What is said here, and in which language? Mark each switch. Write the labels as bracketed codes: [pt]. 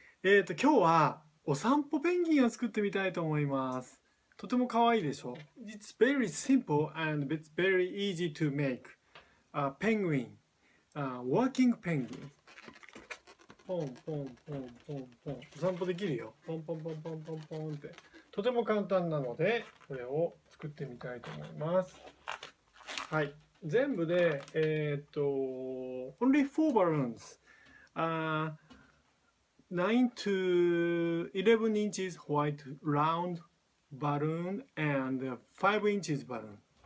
[ja] 今日はお散歩ペンギンを作ってみたいと思います。とても可愛いでしょ。 [en] It's very simple and it's very easy to make a penguin, a working penguin. [ja] ポンポンポンポンポン、お散歩できるよ。ポンポンポンポンポンポンって、とても簡単なのでこれを作ってみたいと思います。はい、全部で [en] only four balloons。 9 to 11 inches white round balloon and 5 inches balloon.